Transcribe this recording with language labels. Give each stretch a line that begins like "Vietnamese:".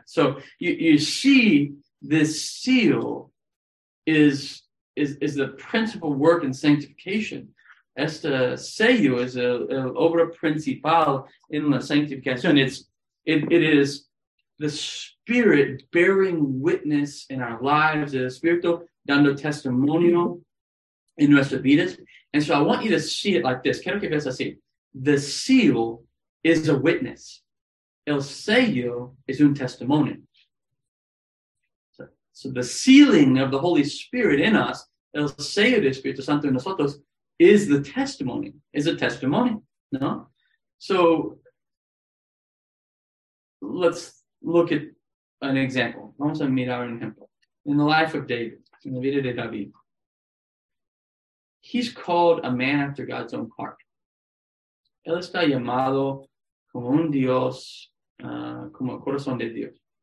English: So you see, this seal is the principal work in sanctification.
Spanish: Este sello es el obra principal en la sanctificación.
English: It is the Spirit bearing witness in our lives,
Spanish: el Espíritu dando testimonio en nuestras vidas.
English: And so I want you to see it like this.
Spanish: Quiero que veas así.
English: The seal is a witness.
Spanish: El sello es un testimonio.
English: So the sealing of the Holy Spirit in us,
Spanish: el sello del Espíritu Santo en nosotros,
English: is the testimony, is a testimony, no? So let's look at an example.
Spanish: Vamos a mirar un ejemplo.
English: In the life of David, in the
Spanish: vida de David,
English: he's called a man after God's own heart.
Spanish: Él está llamado como un Dios, como el corazón de Dios.